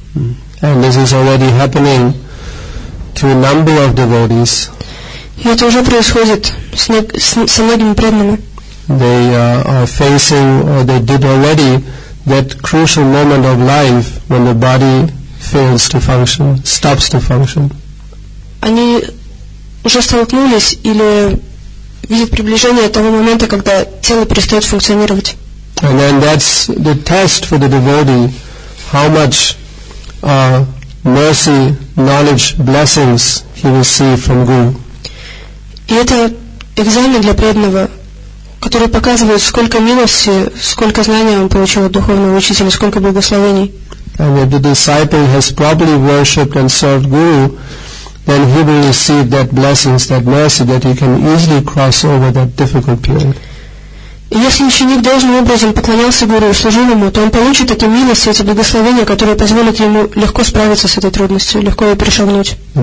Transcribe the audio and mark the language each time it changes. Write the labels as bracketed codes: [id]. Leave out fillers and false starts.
[en] And this is already happening to a number of devotees. [ru] И это уже происходит с многими преданными. [en] They are facing, or they did already, that crucial moment of life when the body fails to function, stops to function. [ru] Они уже столкнулись или видят приближение того момента, когда тело перестает функционировать. [en] And then that's the test for the devotee, how much mercy, knowledge, blessings he received from Guru. [ru] И это экзамен для преданного, который показывает, сколько милости, сколько знания он получил от духовного учителя, сколько благословений. [en] And if the disciple has properly worshipped and served Guru, then he will receive that blessings, that mercy, that he can easily cross over that difficult period. [ru] Если ученик должным образом поклонялся Гуру и служил ему, то он получит эти милости, эти благословения, которые позволят ему легко справиться с этой трудностью, легко ее перешагнуть.